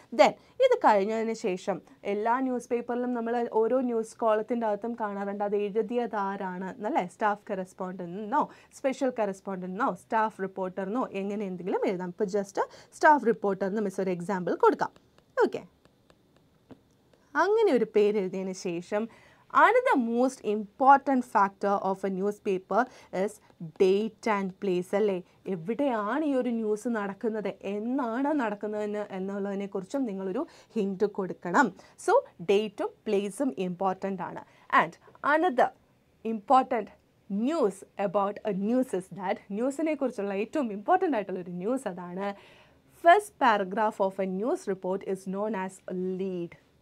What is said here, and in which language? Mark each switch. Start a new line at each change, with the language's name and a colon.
Malayalam: Then ഇത് കഴിഞ്ഞതിന് ശേഷം എല്ലാ ന്യൂസ് പേപ്പറിലും നമ്മൾ ഓരോ ന്യൂസ് കോളത്തിൻ്റെ അകത്തും കാണാറുണ്ട് അത് എഴുതിയതാരാണ് എന്നല്ലേ. സ്റ്റാഫ് കറസ്പോണ്ടൻ്റെന്നോ സ്പെഷ്യൽ കറസ്പോണ്ടൻ്റെന്നോ സ്റ്റാഫ് റിപ്പോർട്ടർന്നോ എങ്ങനെ എന്തെങ്കിലും എഴുതാം. ഇപ്പോൾ ജസ്റ്റ് സ്റ്റാഫ് റിപ്പോർട്ടർന്ന് മിസ് ഒരു എക്സാമ്പിൾ കൊടുക്കാം.
English: okay,
Malayalam: അങ്ങനെ ഒരു പേരെഴുതിയതിന് ശേഷം
English: another most important factor of a newspaper is date and place.
Malayalam: alle എവിടെയാണ് ഈ ഒരു ന്യൂസ് നടക്കുന്നത്, എന്നാണ് നടക്കുന്നതെന്ന് എന്നുള്ളതിനെക്കുറിച്ചും നിങ്ങളൊരു ഹിൻറ്റ് കൊടുക്കണം. സോ ഡേറ്റും പ്ലേസും ഇമ്പോർട്ടൻ്റ് ആണ്.
English: and another important news about a news is that
Malayalam: ന്യൂസിനെ കുറിച്ചുള്ള ഏറ്റവും ഇമ്പോർട്ടൻ്റ് ആയിട്ടുള്ള ഒരു ന്യൂസ് അതാണ്,
English: First paragraph of a news report is known as a lead.